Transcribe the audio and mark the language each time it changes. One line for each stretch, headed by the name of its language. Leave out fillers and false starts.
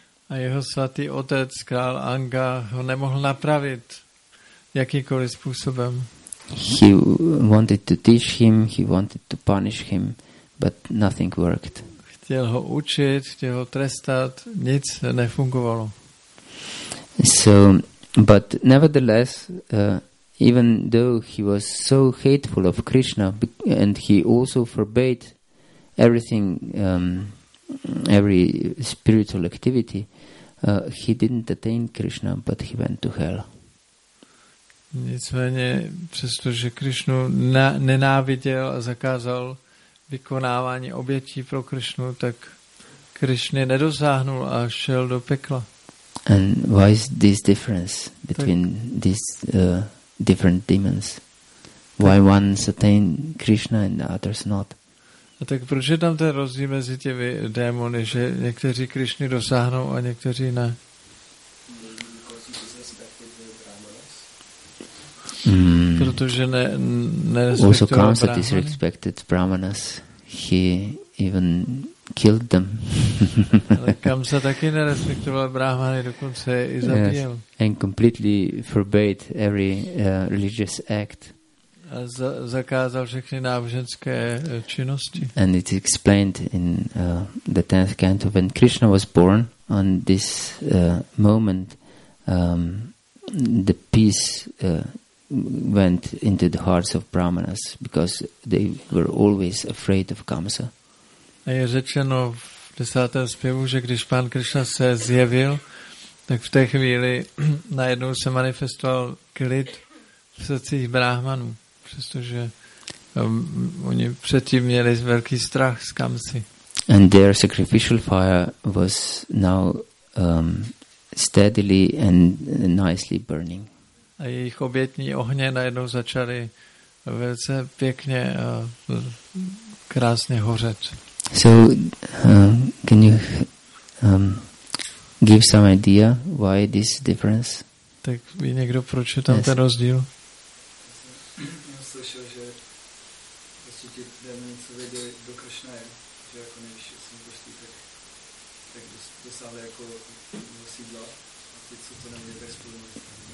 Czech: A jeho svatý otec král Anga ho nemohl napravit jakýkoliv způsobem.
English: He wanted to teach him, he wanted to punish him, but nothing worked.
Czech: Chtěl ho učit, chtěl ho trestat, nic nefungovalo.
English: So, but nevertheless, even though he was so hateful of Krishna and he also forbade everything, every spiritual activity, he didn't attain Krishna, but he went to hell.
Czech: Nicméně, přestože Krishnu nenáviděl a zakázal vykonávání obětí pro Krishnu, tak Krishna nedosáhnul a šel do pekla.
English: And why is this difference between these different demons? Why one attain Krishna and others not?
Czech: A tak proč je tam ten rozdíl mezi těmi démony, že někteří Krishny dosáhnou a někteří ne? Protože
English: also Kamsa disrespected Brahmanas. He even killed them.
Czech: Ale Kamsa taky nerespektoval Brahmany, dokonce i zabíjel. Yes.
English: And completely forbade every religious act.
Czech: A zakázal všechny náboženské činnosti.
English: And it's explained in the 10th canto when Krishna was born on this moment the peace went into the hearts of Brahmanas because they were always afraid of Kamsa.
Czech: A je řečeno v 10. zpěvu, že když pán Krishna se zjevil, tak v té chvíli najednou se manifestoval klid v srdcích Brahmanů, přestože oni předtím měli velký strach z Kamsy.
English: And their sacrificial fire was now steadily and nicely burning.
Czech: A jejich obětní ohně najednou začaly velice pěkně a krásně hořet.
English: So, can you give some idea why this difference?
Czech: Tak ví někdo, proč je tam ten rozdíl? Já jsem slyšel, že vlastně ti démoni, co věděli, kdo Krishna je, šli jako nejvyšší osmibožství, tak dosáhli jako sídla a ty, co to neměli, tak spolu mluví.